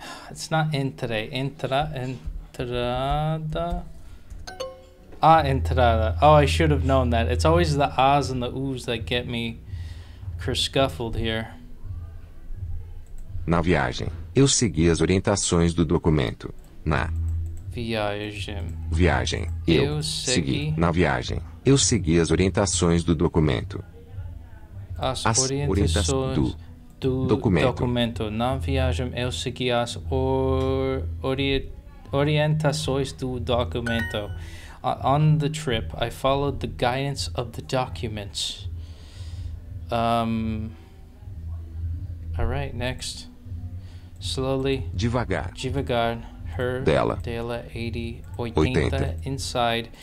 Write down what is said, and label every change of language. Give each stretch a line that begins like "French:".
English: It's not entre, entrada, a entrada. Oh, I should have known that. It's always the ahs and the oohs that get me kerscuffled here.
Portuguese: Na viagem, eu segui as orientações do documento. Na viagem. Viagem. Eu segui. Na viagem, eu segui as orientações do documento. As orientações do documento. Documento. Na viagem eu segui as orientações do documento.
English: On the trip, I followed the guidance of the documents. All right, next. Slowly.
Portuguese: Devagar. Devagar. Her. Dela. Dela. 80.
English: 80. Inside.